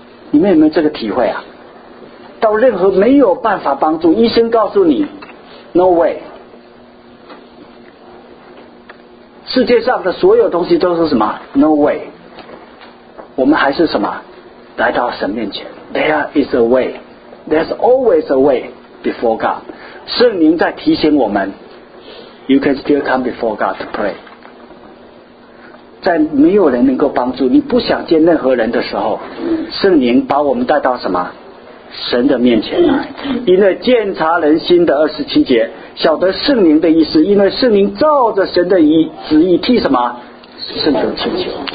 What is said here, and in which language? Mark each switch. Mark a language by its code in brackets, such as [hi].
[zh] 你们有没有这个体会啊？到任何没有办法帮助，医生告诉你 [en] No way， [zh] 世界上的所有东西都是什么 No way， 我们还是什么来到神面前。 [en] There is a way， There's always a way before God。 [zh] 圣灵在提醒我们 [en] You can still come before God to pray。 [zh] 在没有人能够帮助你不想见任何人的时候，圣灵把我们带到什么神的面前来。因为鉴察人心的二十七节晓得圣灵的意思，因为圣灵照着神的旨意替什么圣徒祈求。